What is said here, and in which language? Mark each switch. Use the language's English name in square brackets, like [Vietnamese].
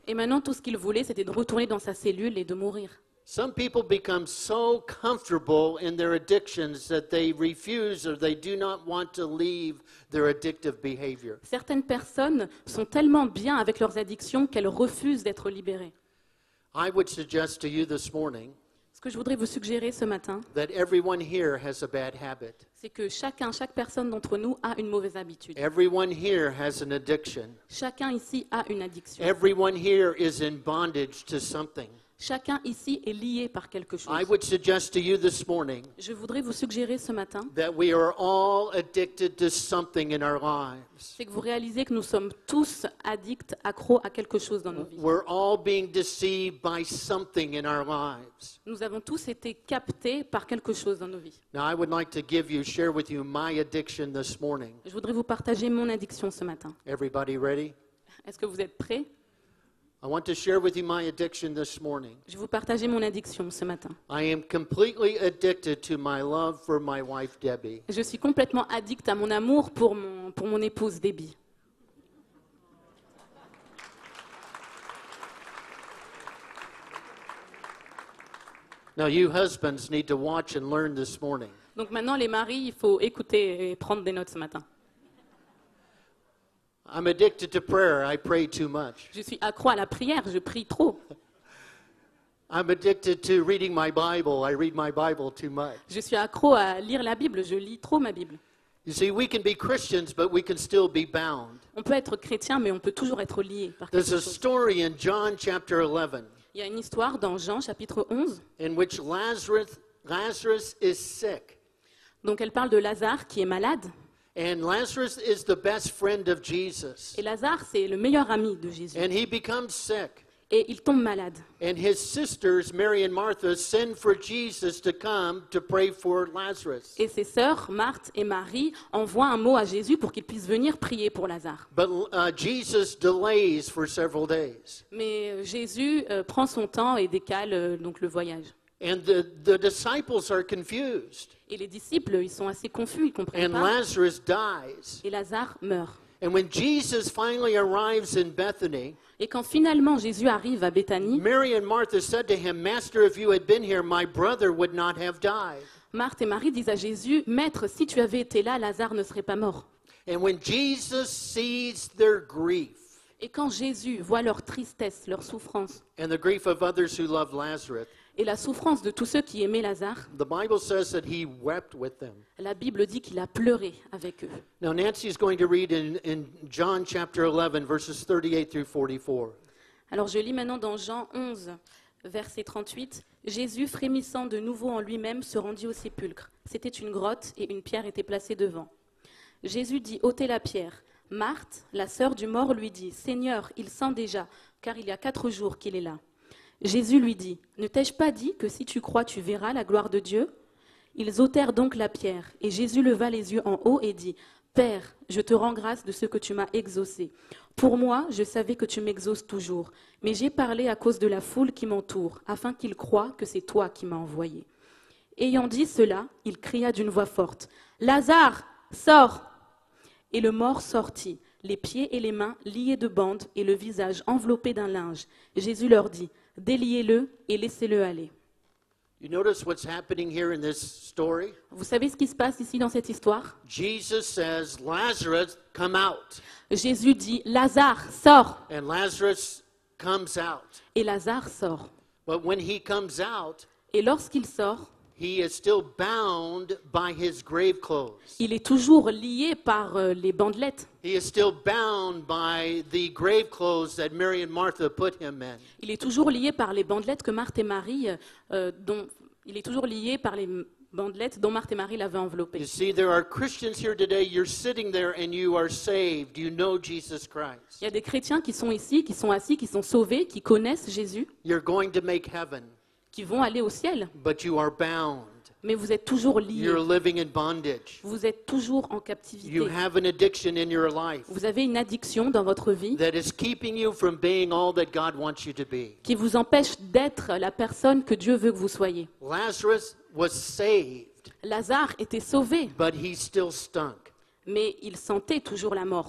[French] Et maintenant tout ce qu'il voulait, c'était de retourner dans sa cellule et de mourir. [English] Some people become so comfortable in their addictions that they refuse or they do not want to leave their addictive behavior. [French] Certaines personnes sont tellement bien avec leurs addictions qu'elles refusent d'être libérées. [English] I would suggest to you this morning [French] que je voudrais vous suggérer ce matin, [English] that everyone here has a bad habit. [French] C'est que chaque personne d'entre nous a une mauvaise habitude. [English] Everyone here has an addiction. [French] Chacun ici a une addiction. [English] Everyone here is in bondage to something. [French] Chacun ici est lié par quelque chose. [English] I would suggest to you this morning, [French] je voudrais vous suggérer ce matin, [English] that we are all addicted to something in our lives. [French] C'est que vous réalisez que nous sommes tous addicts, accros à quelque chose dans nos vies. [English] We're all being deceived by something in our lives. [French] Nous avons tous été captés par quelque chose dans nos vies. [English] Now I would like to give you, share with you my addiction this morning. [French] Je voudrais vous partager mon addiction ce matin. [English] Everybody ready? [French] Est-ce que vous êtes prêts? [English] I want to share with you my addiction this morning. [French] Je vais vous partager mon addiction ce matin. [English] I am completely addicted to my love for my wife Debbie. [French] Je suis complètement addict à mon amour pour mon épouse Debbie. [English] Now you husbands need to watch and learn this morning. [French] Donc maintenant les maris, il faut écouter et prendre des notes ce matin. [English] I'm addicted to prayer. I pray too much. [French] Je suis accro à la prière. Je prie trop. [English] I'm addicted to reading my Bible. I read my Bible too much. [French] Je suis accro à lire la Bible. Je lis trop ma Bible. [English] You see, we can be Christians, but we can still be bound. [French] On peut être chrétien, mais on peut toujours être lié par quelque chose. [English] There's a story in John chapter 11. [French] Il y a une histoire dans Jean chapitre 11. [English] In which Lazarus is sick. [French] Donc elle parle de Lazare qui est malade. [English] And Lazarus is the best friend of Jesus. [French] Et Lazare, c'est le meilleur ami de Jésus. [English] And he becomes sick. [French] Et il tombe malade. [English] And his sisters, Mary and Martha, send for Jesus to come to pray for Lazarus. [French] Et ses sœurs, Marthe et Marie, envoient un mot à Jésus pour qu'il puisse venir prier pour Lazare. [English] But Jesus delays for several days. [French] Mais Jésus prend son temps et décale donc le voyage. [English] And the disciples are confused. [French] Et les disciples, ils sont assez confus, ils comprennent and pas. [English] Lazarus dies. [French] Et Lazare meurt. [English] And when Jesus finally arrives in Bethany, [French] et quand finalement Jésus arrive à Béthanie, [English] Mary and Martha said to him, "Master, if you had been here, my brother would not have died." [French] Marthe et Marie disent à Jésus, "Maître, si tu avais été là, Lazare ne serait pas mort." [English] And when Jesus sees their grief, [French] et quand Jésus voit leur tristesse, leur souffrance, [English] and the grief of others who love Lazarus, [French] et la souffrance de tous ceux qui aimaient Lazare. [English] The Bible says that he wept with them. [French] La Bible dit qu'il a pleuré avec eux. [English] Now Nancy is going to read in John chapter 11 verses 38 through 44. [French] Alors je lis maintenant dans Jean 11 verset 38. Jésus, frémissant de nouveau en lui-même, se rendit au sépulcre. C'était une grotte et une pierre était placée devant. Jésus dit, ôtez la pierre. Marthe, la sœur du mort, lui dit, Seigneur, il sent déjà, car il y a 4 jours qu'il est là. Jésus lui dit, « Ne t'ai-je pas dit que si tu crois, tu verras la gloire de Dieu ?» Ils ôtèrent donc la pierre, et Jésus leva les yeux en haut et dit, « Père, je te rends grâce de ce que tu m'as exaucé. Pour moi, je savais que tu m'exauces toujours, mais j'ai parlé à cause de la foule qui m'entoure, afin qu'ils croient que c'est toi qui m'as envoyé. » Ayant dit cela, il cria d'une voix forte, « Lazare, sors !» Et le mort sortit, les pieds et les mains liés de bandes et le visage enveloppé d'un linge. Jésus leur dit, « Déliez-le et laissez-le aller. » [English] You notice what's happening here in this story? [French] Vous savez ce qui se passe ici dans cette histoire? [English] Jesus says, Lazarus, come out. [French] Jésus dit, Lazare, sors. [English] And Lazarus comes out. [French] Et Lazare sort. [English] But when he comes out, [French] et lorsqu'il sort, [English] he is still bound by his grave clothes. [French] Il est toujours lié par les bandelettes. [English] He is still bound by the grave clothes that Mary and Martha put him in. [French] Il est toujours lié par les bandelettes que Marthe et Marie dont il est toujours lié par les bandelettes dont Marthe et Marie l'avaient enveloppé. [English] You see, there are Christians here today. You're sitting there and you are saved. You know Jesus Christ. [French] Il y a des chrétiens qui sont ici, qui sont assis, qui sont sauvés, qui connaissent Jésus. [English] You're going to make heaven. [French] qui vont aller au ciel. [English] But you are bound. [French] Mais vous êtes toujours liés. [English] You're living in bondage. [French] Vous êtes toujours en captivité. [English] You have an addiction in your life. [French] Vous avez une addiction dans votre vie. [English] That is keeping you from being all that God wants you to be. [French] Qui vous empêche d'être la personne que Dieu veut que vous soyez. [English] Lazarus was saved. [French] Lazare était sauvé. [English] But he still stunk. [French] Mais il sentait toujours la mort.